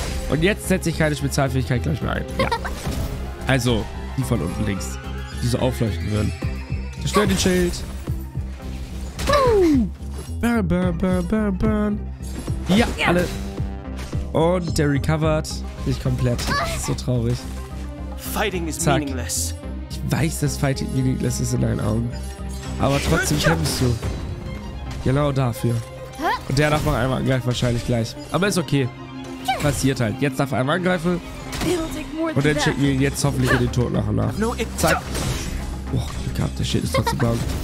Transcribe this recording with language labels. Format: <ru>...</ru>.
<de>Und jetzt setze ich keine Spezialfähigkeit gleich mehr ein. Ja. Also, die von unten links, die so aufleuchten würden. Zerstör den Schild.</de> <en>Burn, burn, burn, burn, burn.</en> <de>Ja, alle. Und der recovered. Nicht komplett. So traurig.</de> <en>Fighting is meaningless.</en> <de>Ich weiß, dass</de> <en>Fighting meaningless</en> <de>ist in deinen Augen. Aber trotzdem kämpfst du. Genau dafür. Und der darf noch einmal angreifen, wahrscheinlich gleich. Aber ist okay. Passiert halt. Jetzt darf er einmal angreifen. Und dann schicken wir ihn jetzt hoffentlich in den Tod nach und nach. Zack. Boah, Glück gehabt. Der Schild ist trotzdem blau.</de>